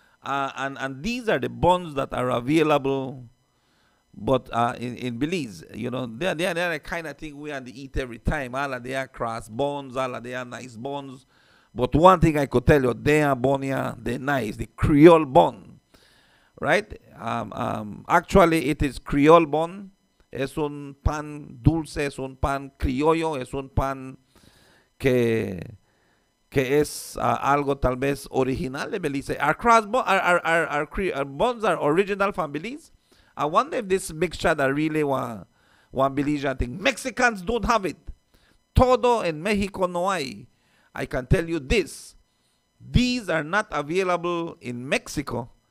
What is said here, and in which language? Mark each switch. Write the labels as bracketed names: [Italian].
[English] And these are the bones that are available, but in Belize, you know, they are the kind of thing we have to eat every time. All of their cross bones, all of their nice bones. But one thing I could tell you, they're nice, the Creole bone, right? Actually, it is Creole bone. [Spanish] Es un pan dulce, es un pan criollo, es un pan que es algo tal vez original de Belize. [English] Our bones are original from Belize. I wonder if this mixture that really one Belizean thing. Mexicans don't have it. [Spanish] Todo en México no hay. [English] I can tell you this. These are not available in Mexico.